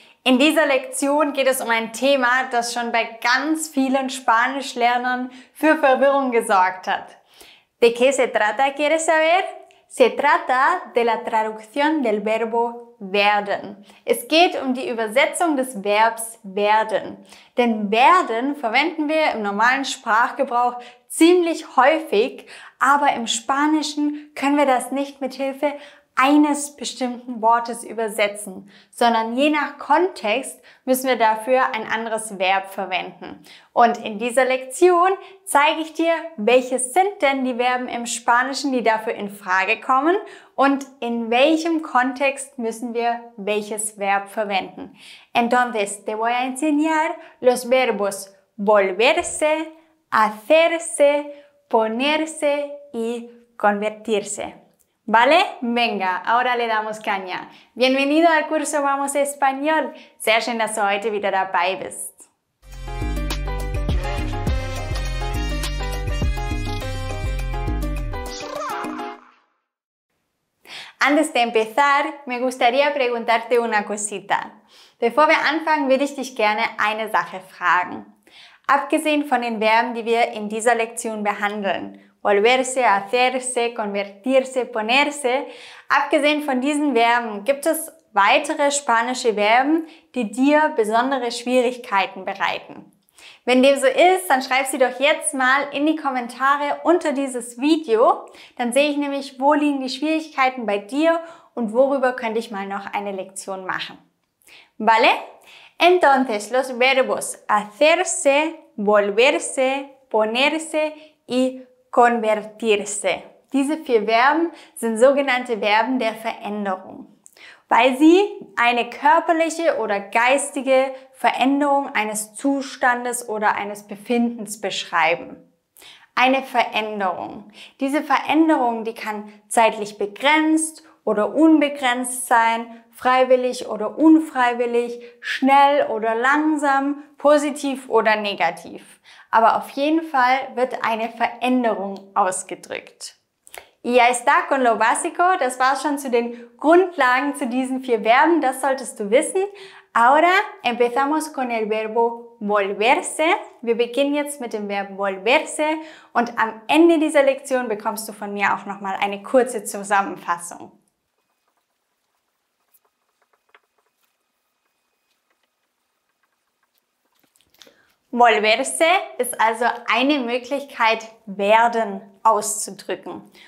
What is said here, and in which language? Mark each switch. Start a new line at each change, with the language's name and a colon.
German: In dieser Lektion geht es um ein Thema, das schon bei ganz vielen Spanischlernern für Verwirrung gesorgt hat.
Spanish: ¿De qué se trata, quieres saber? Se trata de la traducción del verbo werden.
German: Es geht um die Übersetzung des Verbs werden. Denn werden verwenden wir im normalen Sprachgebrauch ziemlich häufig, aber im Spanischen können wir das nicht mit Hilfe eines bestimmten Wortes übersetzen, sondern je nach Kontext müssen wir dafür ein anderes Verb verwenden. Und in dieser Lektion zeige ich dir, welches sind denn die Verben im Spanischen, die dafür in Frage kommen und in welchem Kontext müssen wir welches Verb verwenden.
Spanish: Entonces, te voy a enseñar los verbos volverse, hacerse, ponerse y convertirse. ¿Vale? Venga, ahora le damos caña. Bienvenido al curso Vamos Español.
German: Sehr schön, dass du heute wieder dabei bist.
Spanish: Antes de empezar, me gustaría preguntarte una cosita.
German: Bevor wir anfangen, würde ich dich gerne eine Sache fragen. Abgesehen von den Verben, die wir in dieser Lektion behandeln, volverse, hacerse, convertirse, ponerse. Abgesehen von diesen Verben, gibt es weitere spanische Verben, die dir besondere Schwierigkeiten bereiten? Wenn dem so ist, dann schreib sie doch jetzt mal in die Kommentare unter dieses Video. Dann sehe ich nämlich, wo liegen die Schwierigkeiten bei dir und worüber könnte ich mal noch eine Lektion machen.
Spanish: ¿Vale? Entonces, los verbos hacerse, volverse, ponerse y convertirse.
German: Diese vier Verben sind sogenannte Verben der Veränderung, weil sie eine körperliche oder geistige Veränderung eines Zustandes oder eines Befindens beschreiben. Eine Veränderung. Diese Veränderung, die kann zeitlich begrenzt oder unbegrenzt sein, freiwillig oder unfreiwillig, schnell oder langsam, positiv oder negativ. Aber auf jeden Fall wird eine Veränderung ausgedrückt.
Spanish: Y ya está con lo básico.
German: Das war schon zu den Grundlagen zu diesen vier Verben. Das solltest du wissen.
Spanish: Ahora empezamos con el verbo volverse.
German: Wir beginnen jetzt mit dem Verb volverse. Und am Ende dieser Lektion bekommst du von mir auch nochmal eine kurze Zusammenfassung. Volverse ist also eine Möglichkeit, werden auszudrücken.